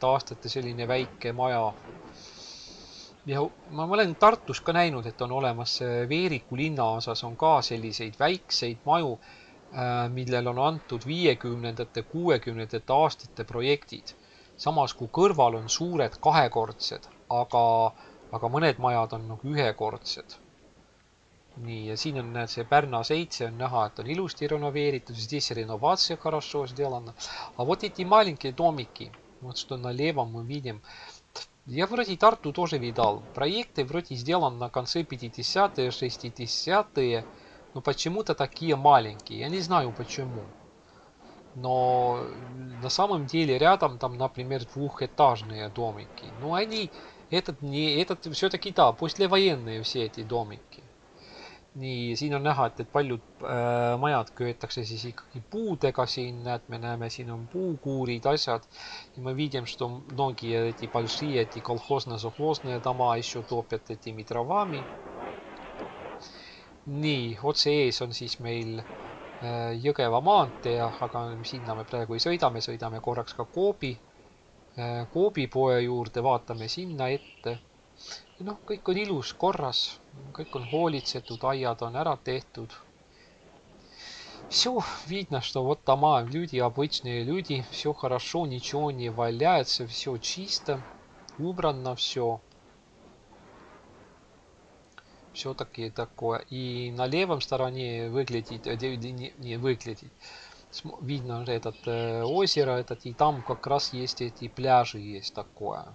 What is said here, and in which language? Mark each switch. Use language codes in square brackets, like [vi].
[et] aastate selline väike maja. Ja ma olen Tartus ka näinud, et on olemas Veeriku linnaosas on ka selliseid väikseid maju, millel on antud 50. 60. aastate projektid. Samas kui kõrval on suured kahekordsed, aga mõned majad on nagu ühekordsed. Nii, ja siin on näed see Pärna 7, on näha, et on ilusti renoveeritud, siis renovaatsia [ru] хорошо сделана. А вот эти маленькие домики, вот что на левом мы видим. Я вроде Тарту тоже видал. Проекты вроде сделаны на конце 50-е, 60-е. Но почему-то такие маленькие. Я не знаю почему. Но на самом деле рядом там, например, двухэтажные домики. Но они, этот не, этот все-таки, да, послевоенные все эти домики. [et] И siin on näha, et paljud majad köetakse siis ikkagi puudega siin. Näed, me näeme, siin on puukuurid asjad. [ru] И мы видим, что многие эти большие, эти колхозно-совхозные дома еще топят этими травами. [et] Nii, otse ees on siis meil Jõgeva maantee, aga sinna me praegu ei sõida, me sõidame korraks ka Koobi poe juurde, vaatame sinna ette. Noh, kõik on ilus korras, kõik on hoolitsetud, aiad on ära tehtud. [ru] Всё видно, что вот дома люди, обычные люди, всё хорошо, ничего не валяется, всё чисто, убрано всё. Все-таки такое. И на левом стороне выглядит, не выглядит, видно этот озеро, этот, и там как раз есть эти пляжи, есть такое.